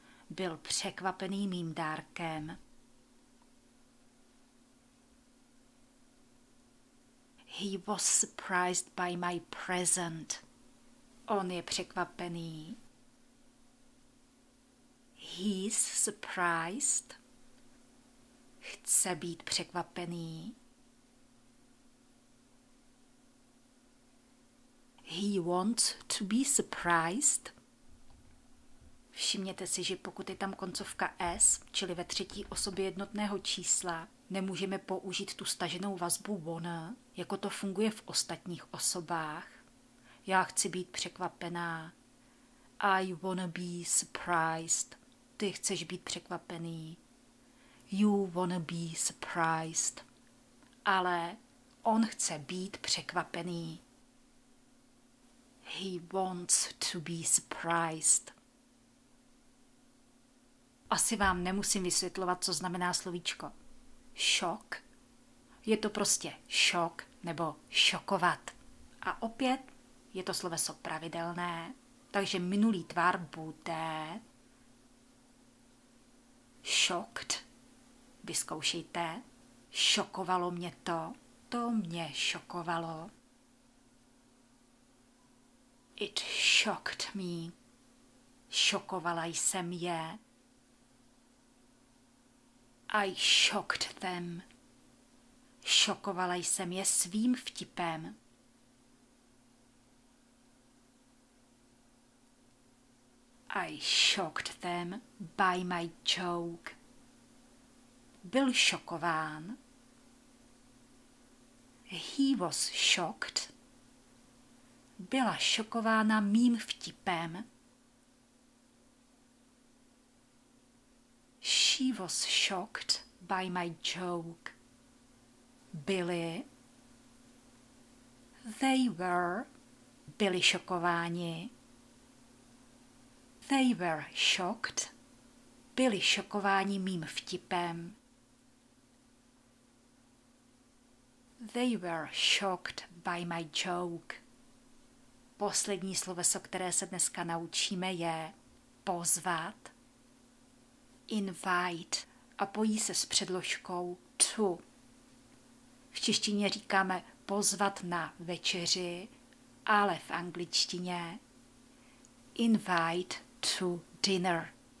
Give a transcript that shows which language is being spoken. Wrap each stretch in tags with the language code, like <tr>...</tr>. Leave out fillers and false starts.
<cs>Byl překvapený mým dárkem.</cs> <en>He was surprised by my present.</en> <cs>On je překvapený.</cs> <en>He's surprised.</en> <cs>Chce být překvapený.</cs> <en>He wants to be surprised.</en> <cs>Všimněte si, že pokud je tam koncovka s, čili ve třetí osobě jednotného čísla, nemůžeme použít tu staženou vazbu wanna, jako to funguje v ostatních osobách. Já chci být překvapená.</cs> <en>I wanna be surprised.</en> <cs>Ty chceš být překvapený.</cs> <en>You wanna be surprised.</en> <cs>Ale on chce být překvapený.</cs> <en>He wants to be surprised.</en> <cs>Asi vám nemusím vysvětlovat, co znamená slovíčko šok. Je to prostě šok nebo šokovat. A opět je to sloveso pravidelné, takže minulý tvar bude shocked. Vyzkoušejte. Šokovalo mě to. To mě šokovalo.</cs> <en>It shocked me.</en> <cs>Šokovala jsem je.</cs> <en>I shocked them.</en> <cs>Šokovala jsem je svým vtipem.</cs> <en>I shocked them by my joke.</en> <cs>Byl šokován.</cs> <en>He was shocked.</en> <cs>Byla šokována mým vtipem.</cs> <en>She was shocked by my joke.</en> <cs>Byli.</cs> <en>They were.</en> <cs>Byli šokováni.</cs> <en>They were shocked.</en> <cs>Byli šokováni mým vtipem.</cs> <en>They were shocked by my joke.</en> <cs>Poslední sloveso, které se dneska naučíme, je pozvat. Invite. A pojí se s předložkou to. V češtině říkáme pozvat na večeři, ale v angličtině</cs> <en>invite to dinner.</en>